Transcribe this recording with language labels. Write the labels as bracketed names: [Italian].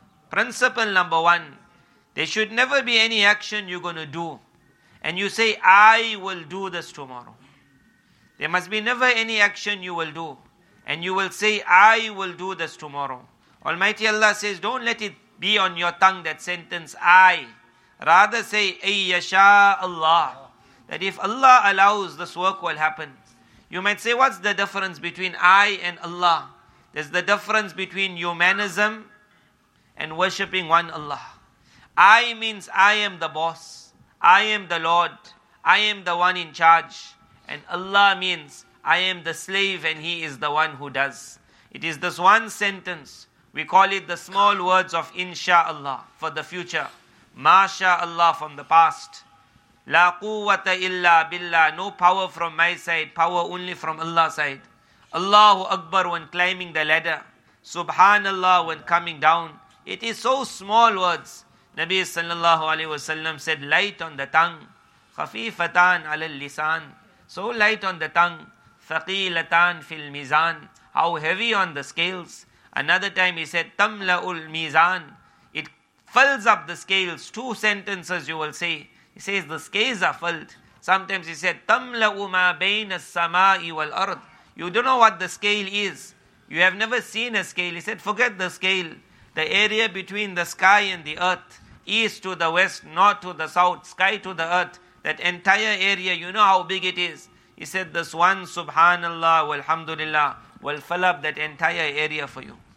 [English] Principle number one, there should never be any action you're going to do and you say, I will do this tomorrow. There must be never any action you will do and you will say, I will do this tomorrow. Almighty Allah says, don't let it be on your tongue, that sentence, I. Rather say, [Arabic] أَن يَشَاءَ اللَّهِ. [English] That if Allah allows, this work will happen. You might say, what's the difference between I and Allah? There's the difference between humanism and worshipping one Allah. I means I am the boss. I am the Lord. I am the one in charge. And Allah means I am the slave and He is the one who does. It is this one sentence. We call it the small words of Insha'Allah for the future. Masha'Allah from the past. [Arabic] La quwwata illa billah. [English] No power from my side. Power only from Allah's side. Allahu Akbar when climbing the ladder. Subhanallah when coming down. It is so small words. Nabi sallallahu alayhi wa sallam said, light on the tongue. [Arabic] Khafifatan ala lisan. [English] So light on the tongue. [Arabic] Thaqilatan fil mizan. [English] How heavy on the scales. Another time he said, [Arabic] tamla'ul mizan. [English] It fills up the scales. Two sentences you will say. He says the scales are filled. Sometimes he said, [Arabic] تَمْلَأُ مَا بَيْنَ السَّمَاءِ وَالْأَرْضِ. [English] You don't know what the scale is. You have never seen a scale. He said, forget the scale. The area between the sky and the earth, east to the west, north to the south, sky to the earth, that entire area, you know how big it is. He said, this one, subhanallah, walhamdulillah, will fill up that entire area for you.